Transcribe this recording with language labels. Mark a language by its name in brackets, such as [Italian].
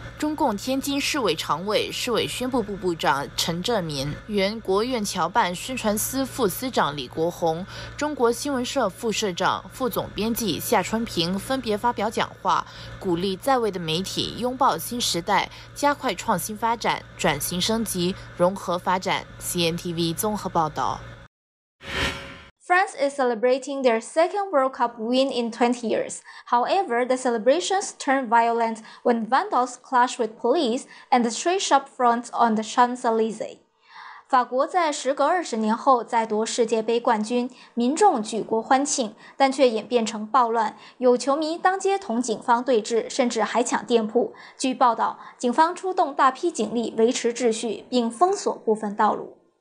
[Chinese] 中共天津市委常委、市委宣布部部长陈振民，原国务院侨办宣传司副司长李国宏，中国新闻社副社长、副总编辑夏春平分别发表讲话，鼓励在位的媒体拥抱新时代，加快创新发展、转型升级、融合发展。 CNTV 综合报道。 [English] France is celebrating their second World Cup win in 20 years. However, the celebrations turned violent when vandals clashed with police and the street shop front on the Champs-Élysées. [Chinese] 法国在时隔20年后再夺世界杯冠军，民众举国欢庆，但却演变成暴乱，有球迷当街同警方对峙，甚至还抢店铺。据报道，警方出动大批警力维持秩序，并封锁部分道路。